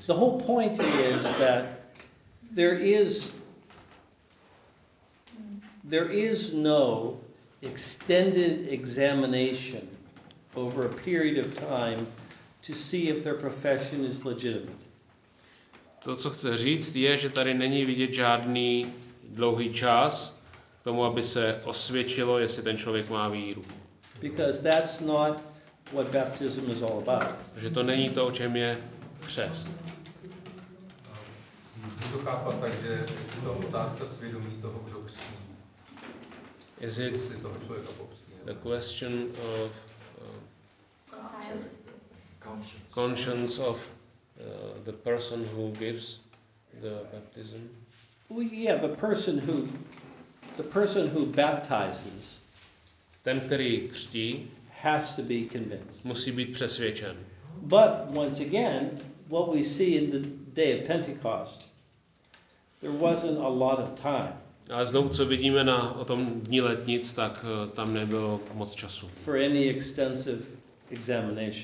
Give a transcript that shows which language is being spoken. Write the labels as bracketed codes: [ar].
[en] The whole point is that there is no extended examination over a period of time to see if their profession is legitimate. [cs] To, co chce říct, je, že tady není vidět žádný dlouhý čas k tomu, aby se osvědčilo, jestli ten člověk má víru. [en] Because that's not what baptism is all about. [cs] Že to není to, o čem je křest. To chápat, takže je to otázka svědomí toho, kdo křtí. [en] Is it the question of conscience. Conscience of the person who gives the baptism? Well, yeah, the person who baptizes, [cs] ten, který křtí, [en] has to be convinced. [cs] Musí být přesvědčen. [en] But once again, what we see in the day of Pentecost, there wasn't a lot of time. [cs] A znovu, co vidíme na o tom dní letnic, tak tam nebylo moc času. [en] For any extensive examination.